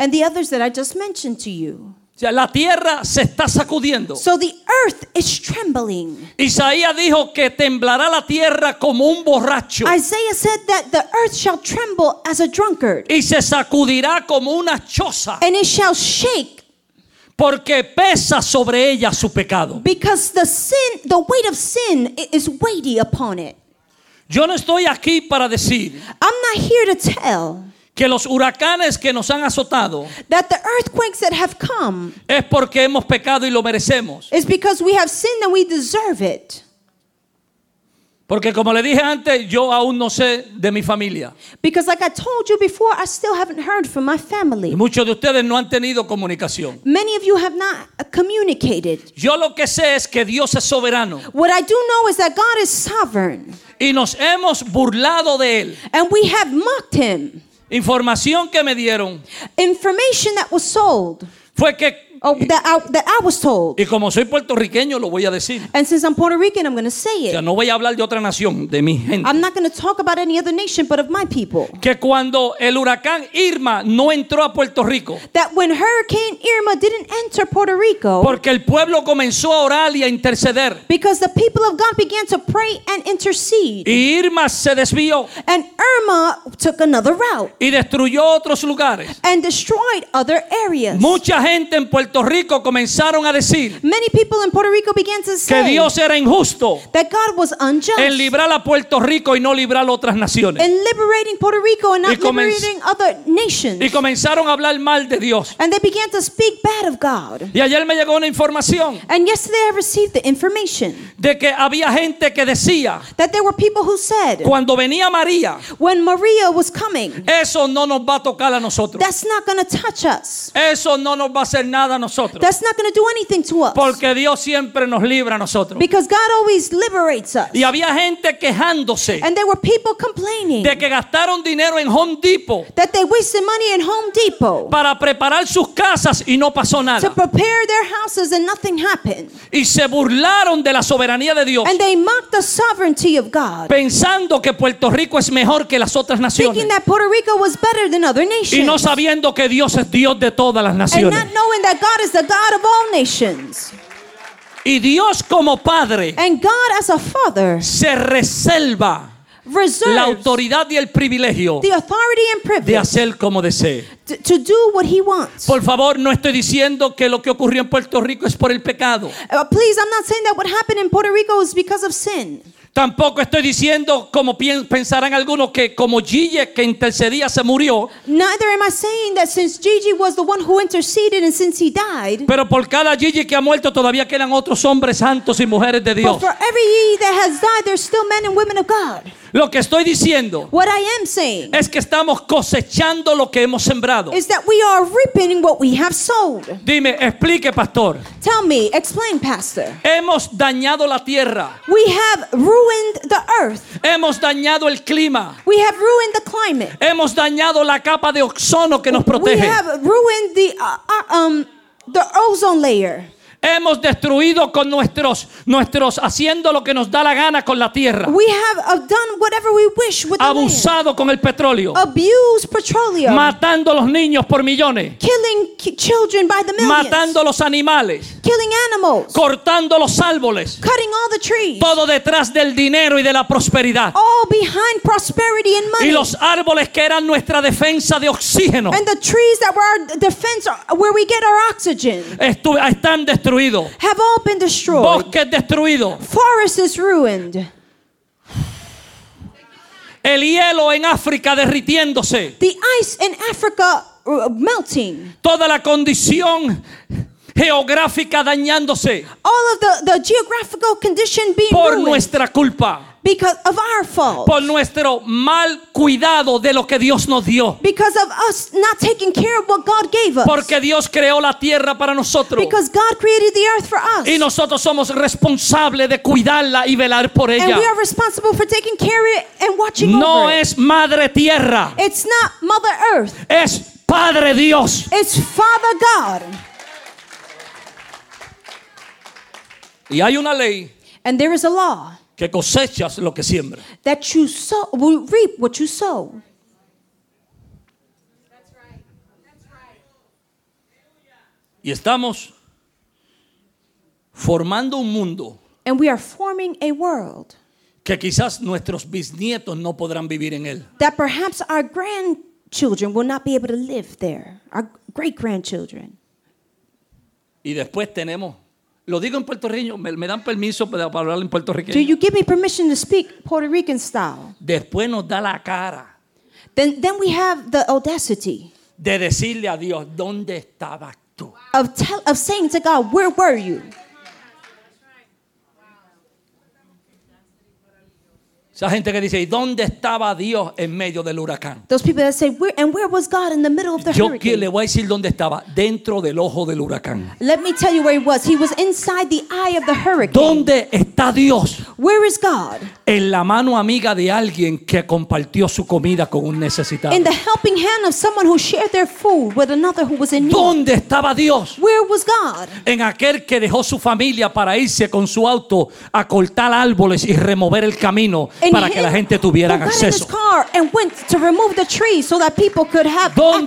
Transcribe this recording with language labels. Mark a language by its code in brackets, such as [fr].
[en] And the others that I just mentioned to you. [es] O sea, la tierra se está sacudiendo. [en] So the earth is trembling. [es] Isaías dijo que temblará la tierra como un borracho. [en] Isaiah said that the earth shall tremble as a drunkard. [es] Y se sacudirá como una choza. [en] And it shall shake. [es] Porque pesa sobre ella su pecado. [en] Because the weight of sin is weighty upon it. [es] Yo no estoy aquí para decir. [en] I'm not here to tell. [es] Que los huracanes que nos han azotado [en] come, [es] es porque hemos pecado y lo merecemos. [en] It's because we have sinned and we deserve it. [es] Porque como le dije antes, yo aún no sé de mi familia. [en] Because like I told you before, I still haven't heard from my family. [es] Y muchos de ustedes no han tenido comunicación. [en] Many of you have not communicated. [es] Yo lo que sé es que Dios es soberano. [en] What I do know is that God is sovereign. [es] Y nos hemos burlado de él. [en] And we have mocked him. [es] Información que me dieron. [en] Information that was sold. [es] Fue que [en] that I was told. [es] Y como soy puertorriqueño lo voy a decir. [en] And since I'm Puerto Rican, I'm going to say it. [es] O sea, no voy a hablar de otra nación, de mi gente. [en] I'm not going to talk about any other nation but of my people. [es] Que cuando el huracán Irma no entró a Puerto Rico. [en] That when Hurricane Irma didn't enter Puerto Rico. [es] Porque el pueblo comenzó a orar y a interceder. [en] Because the people of God began to pray and intercede. [es] Y Irma se desvió. [en] And Irma took another route. [es] Y destruyó otros lugares. [en] And destroyed other areas. [es] Mucha gente en Puerto Rico comenzaron a decir. [en] Many people in Puerto Rico began to say [es] que Dios era injusto. [en] That God was unjust. [es] En librar a Puerto Rico y no librar otras naciones. [en] In liberating Puerto Rico and not liberating other nations. [es] Y comenzaron a hablar mal de Dios. [en] And they began to speak bad of God. [es] Y ayer me llegó una información. [en] And yesterday I received the information. [es] De que había gente que decía. [en] That there were people who said. [es] Cuando venía María. [en] When Maria was coming. [es] Eso no nos va a tocar a nosotros. [en] That's not going to touch us. [es] Eso no nos va a hacer nada nada a nosotros. [en] That's not going to do anything to us. [es] Porque Dios siempre nos libra a nosotros. [en] Because God always liberates us. [es] Y había gente quejándose. [en] And there were people complaining. [es] De que gastaron dinero en Home Depot. [en] That they wasted money in Home Depot. [es] Para preparar sus casas y no pasó nada. [en] To prepare their houses and nothing happened. [es] Y se burlaron de la soberanía de Dios. [en] And they mocked the sovereignty of God. [es] Pensando que Puerto Rico es mejor que las otras naciones. [en] Thinking that Puerto Rico was better than other nations. [es] Y no sabiendo que Dios es Dios de todas las naciones. [en] And not knowing that God is the God of all nations. [es] Y Dios como padre. [en] And God as a father. [es] Se reserva. [en] Reserves. [es] La autoridad y el privilegio. [en] The authority and privilege. [es] De hacer como desee. [en] To do what he wants. [es] Por favor, no estoy diciendo que lo que ocurrió en Puerto Rico es por el pecado. [en] Please, I'm not saying that what happened in Puerto Rico is because of sin. [es] Tampoco estoy diciendo, como pensarán algunos, que como Gigi, que intercedía, se murió. [en] Neither am I saying that since Gigi was the one who interceded and since he died. [es] Pero por cada Gigi que ha muerto, todavía quedan otros hombres santos y mujeres de Dios. [en] But for every Gigi that has died, there's still men and women of God. [es] Lo que estoy diciendo, [en] what I am saying, [es] es que estamos cosechando lo que hemos sembrado. [en] Is that we are reaping what we have sowed. [es] Dime, explique, pastor. [en] Tell me, explain, pastor. [es] Hemos dañado la tierra. [en] We have ruined the earth. [es] Hemos dañado el clima. [en] We have ruined the climate. [es] Hemos dañado la capa de ozono que nos protege. [en] We have ruined the ozone layer. [es] Hemos destruido con nuestros haciendo lo que nos da la gana con la tierra. [en] We have done whatever we wish with the [es] abusado [en] land. [es] Con el petróleo. [en] Abused petroleum. [es] Matando los niños por millones. [en] Killing children by the millions. [es] Matando los animales. [en] Killing animals. [es] Cortando los árboles. [en] Cutting all the trees. [es] Todo detrás del dinero y de la prosperidad. [en] All behind prosperity and money. [es] Y los árboles que eran nuestra defensa de oxígeno. [en] And the trees that were our defense, where we get our oxygen. [es] Están destruido. [en] Have all been destroyed. [es] Bosques destruidos. [en] Forests is ruined. [es] El hielo en África derritiéndose. [en] The ice in Africa melting. [es] Toda la condición geográfica dañándose. [en] All of the geographical condition being [es] por [en] ruined. [es] Por nuestra culpa. [en] Because of our fault. [es] Por nuestro mal cuidado de lo que Dios nos dio. [en] Because of us not taking care of what God gave us. [es] Porque Dios creó la tierra para nosotros. [en] Because God created the earth for us. [es] Y nosotros somos responsables de cuidarla y velar por ella. [en] And we are responsible for taking care of it and watching [es] no [en] over it. [es] No es madre tierra. [en] It's not mother earth. [es] Es padre Dios. [en] It's Father God. [es] Y hay una ley. [en] And there is a law. [es] Que cosechas lo que siembras. [en] That you sow, will reap what you sow. [es] Y estamos formando un mundo. [en] And we are forming a world. [es] Que quizás nuestros bisnietos no podrán vivir en él. [en] That perhaps our grandchildren will not be able to live there. Our great grandchildren. [es] Y después tenemos. Lo digo en puertorriqueño, me dan permiso para hablar en puertorriqueño. [en] Do you give me permission to speak Puerto Rican style? [es] Después nos da la cara. [en] Then we have the audacity. [es] De decirle a Dios, ¿dónde estabas tú? [en] Of saying to God, where were you? [es] Esa gente que dice, ¿y dónde estaba Dios en medio del huracán? [en] Those people that say, where was God in the middle of the hurricane? [es] Yo que le voy a decir dónde estaba, dentro del ojo del huracán. [en] Let me tell you where he was. He was inside the eye of the hurricane. [es] ¿Dónde está Dios? [en] Where is God? [es] En la mano amiga de alguien que compartió su comida con un necesitado. [en] In the helping hand of someone who shared their food with another who was in need. [es] ¿Dónde estaba Dios? [en] Where was God? [es] En aquel que dejó su familia para irse con su auto a cortar árboles y remover el camino. [en] And [es] para que la gente tuviera acceso. [en] Got in his car and went to remove the tree so that people could have access.